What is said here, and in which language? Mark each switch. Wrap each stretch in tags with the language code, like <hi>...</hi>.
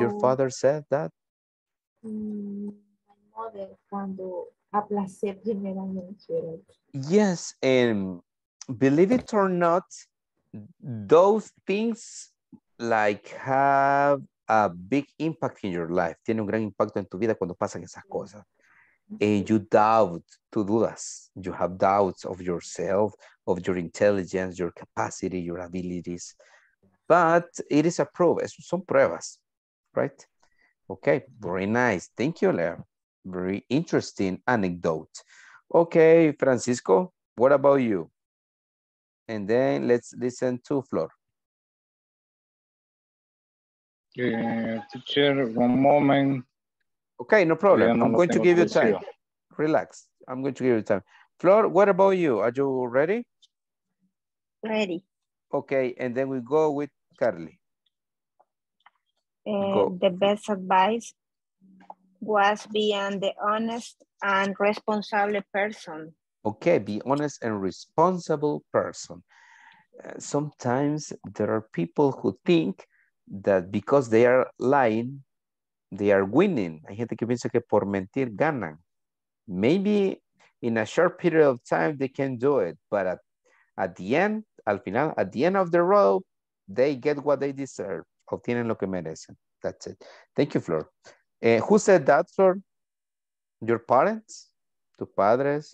<en>Your father said that? My mother,</en> <es>cuando aplacé primeramente.</es> <en>Yes, and believe it or not, those things like have a big impact in your life.</en> <es>Tiene un gran impacto en tu vida cuando pasan esas cosas.</es> <en>And you doubt,</en> <es>tú dudas.</es> <en>You have doubts of yourself, of your intelligence, your capacity, your abilities. But it is a proof.</en> <es>Son pruebas,</es> <en>right? Okay, very nice. Thank you, Lea. Very interesting anecdote. Okay, Francisco, what about you? And then let's listen to Flor. Teacher, one moment. Okay, no problem. I'm going to give you time. Relax. I'm going to give you time. Flor, what about you? Are you ready? Ready. Okay, and then we go with Carly. The best advice was being the honest and responsible person. Okay, be honest and responsible person. Sometimes there are people who think that because they are lying, they are winning.</en> <es>Hay gente que piensa que por mentir ganan.</es> <en>Maybe in a short period of time they can do it, but at the end,</en> <es>al final,</es> <en>at the end of the road, they get what they deserve.</en> <es>Obtienen lo que merecen.</es> <en>That's it. Thank you, Flor. Who said that, Flor? Your parents?</en> <es>Tu padres?</es>